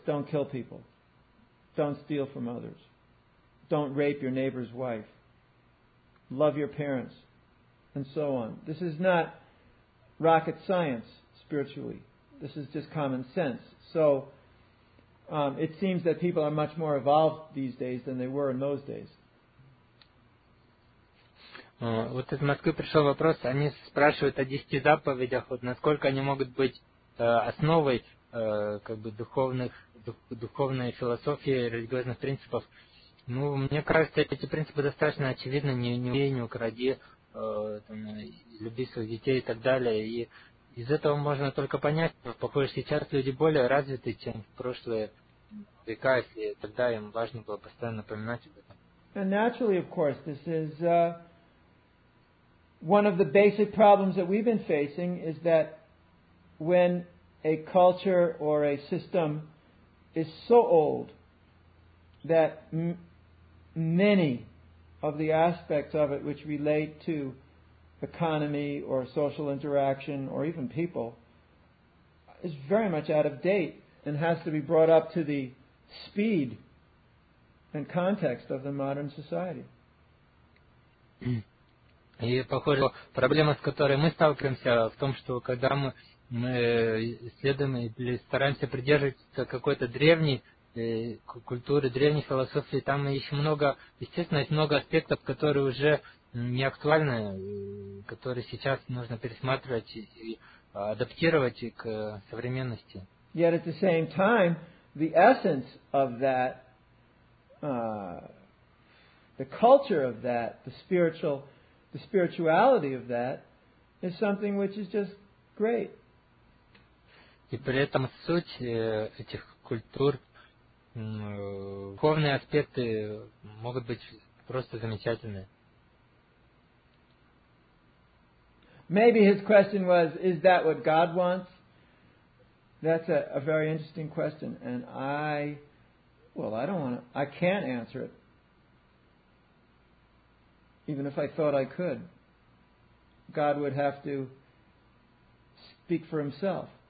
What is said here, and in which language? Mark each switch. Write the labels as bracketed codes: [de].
[en] Don't kill people. Don't steal from others. Don't rape your neighbor's wife. Love your parents. And so on. This is not rocket science, spiritually. This is just common sense. So it seems that people are much more evolved these days than they were in those days. [ru] Вот из Москвы пришел вопрос, они спрашивают о 10 заповедях, вот насколько они могут быть основой как бы духовной философии, религиозных принципов. Ну, мне кажется, эти принципы достаточно очевидны. Не убей, не укради, люби своих детей и так далее. И из этого можно только понять, похоже, сейчас люди более развиты, чем в прошлые века, если тогда им важно было постоянно напоминать об этом. [en] And naturally, of course, this is one of the basic problems that we've been facing is that when a culture or a system is so old that many of the aspects of it which relate to economy or social interaction or even people is very much out of date and has to be brought up to the speed and context of the modern society. [ru] И похоже, проблема, с которой мы сталкиваемся, в том, что когда мы исследуем или стараемся придерживаться какой-то древней культуры, древней философии, там еще много, естественно, есть много аспектов, которые уже не актуальны, которые сейчас нужно пересматривать и адаптировать к современности. [en] Yet at the same time, the essence of that, the culture of that, the spirituality of that is something which is just great. [ru] И при этом суть этих культур, духовные аспекты могут быть просто замечательны. [en] Maybe his question was, is that what God wants? That's a very interesting question, and I can't answer it. Even if I thought I could, God would have to speak for himself.